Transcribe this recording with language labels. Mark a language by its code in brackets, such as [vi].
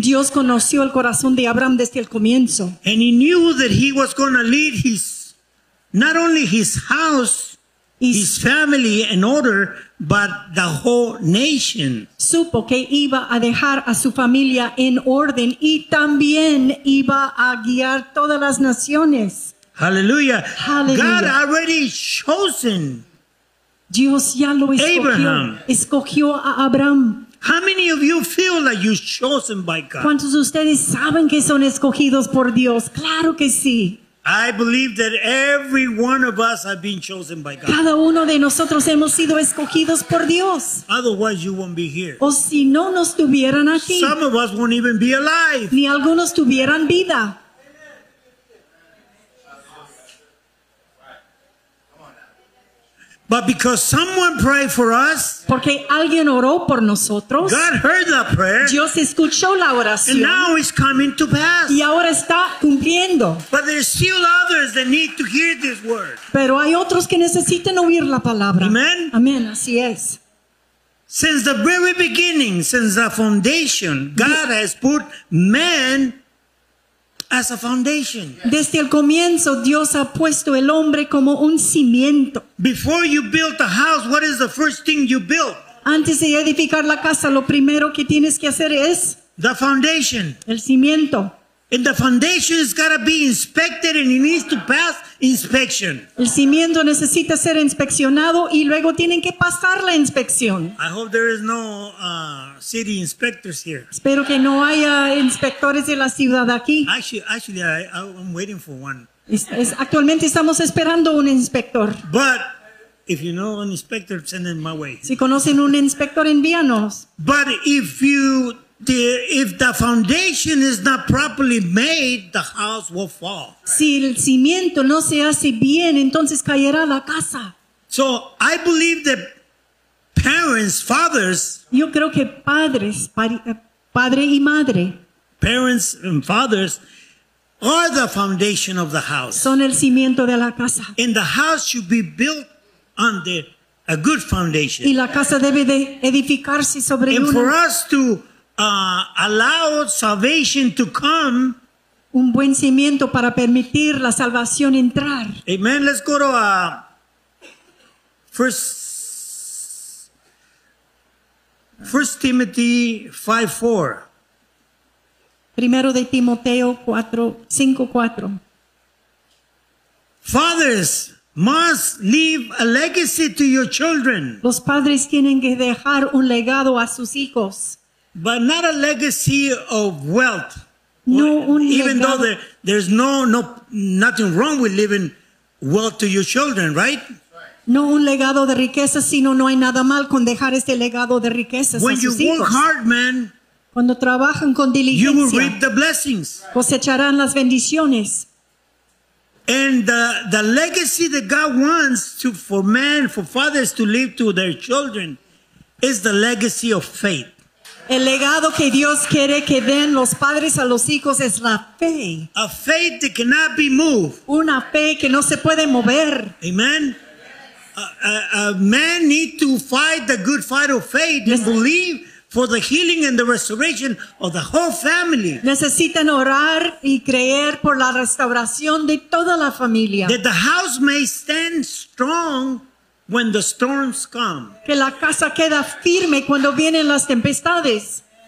[es] Dios conoció el corazón de Abraham desde el comienzo. [en] And he knew that he was going to lead his, not only his house, his family in order, but the whole nation. [es] Supo que iba a dejar a su familia en orden y también iba a guiar todas las naciones. Hallelujah. Hallelujah. [en] God already chosen. [es] Dios ya lo escogió. [en] Abraham. [es] Escogió a Abraham. [en] How many of you feel that you're chosen by God? [es] ¿Cuántos de ustedes saben que son escogidos por Dios? Claro que sí. [en] I believe that every one of us have been chosen by God. [es] Cada uno de nosotros hemos sido escogidos por Dios. [en] Otherwise, you won't be here. [es] O si no, no estuvieran aquí. [en] Some of us won't even be alive. [es] Ni algunos tuvieran vida. [en] But because someone prayed for us, [es] porque alguien oró por nosotros, [en] God heard that prayer. [es] Dios escuchó la oración, [en] and now it's coming to pass. [es] Y ahora está cumpliendo. [en] But there's still others that need to hear this word. [es] Pero hay otros que necesitan oír la palabra. [en] Amen. [es] Amen. Así es. [en] Since the very beginning, since the foundation, God has put man as a foundation. [es] Desde el comienzo, Dios ha puesto el hombre como un cimiento. [en] Before you build a house, what is the first thing you build? [es] Antes de edificar la casa, lo primero que tienes que hacer es [en] the foundation. [es] El cimiento. [en] And the foundation has got to be inspected and it needs to pass inspection. [es] El cimiento necesita ser inspeccionado y luego tienen que pasar la inspección. [en] I hope there is no city inspectors here. [es] Espero que no haya inspectores de la ciudad aquí. [en] Actually, I'm waiting for one. [es] Actualmente estamos esperando un inspector. [en] But if you know an inspector, send him my way. [es] Si conocen un inspector, envíanos. [en] But if the foundation is not properly made, the house will fall. [es] Si el cimiento no se hace bien, entonces caerá la casa. [en] So I believe that parents, fathers, [es] yo creo que padres, padre y madre, [en] parents and fathers are the foundation of the house. [es] Son el cimiento de la casa. [en] And the house should be built on a good foundation. [es] Y la casa debe de edificarse sobre [en] una. And for us to allow salvation to come. [es] Un buen cimiento para permitir la salvación entrar. [en] Amen. Let's go to First Timothy 5:4. [es] Primero de Timoteo 5:4. [en] Fathers must leave a legacy to your children. [es] Los padres tienen que dejar un legado a sus hijos. [en] But not a legacy of wealth. [es] No, un [en] even [es] legado. [en] Though there's no nothing wrong with leaving wealth to your children, right? [es] No un legado de riquezas, sino no hay nada mal con dejar este legado de riquezas [en] when [es] a sus [en] you [es] hijos. [en] Work hard, man, [es] cuando trabajan con diligencia, [en] you will reap the blessings. [es] Cosecharán las bendiciones. [en] And the legacy that God wants to for men, for fathers to leave to their children is the legacy of faith. [es] El legado que Dios quiere que den los padres a los hijos es la fe. [en] A faith that cannot be moved. [es] Una fe que no se puede mover. [en] Amen. A man need to fight the good fight of faith and believe for the healing and the restoration of the whole family. [es] Necesitan orar y creer por la restauración de toda la familia. [en] That the house may stand strong when the storms come. [es] Que la casa queda firme cuando vienen las tempestades.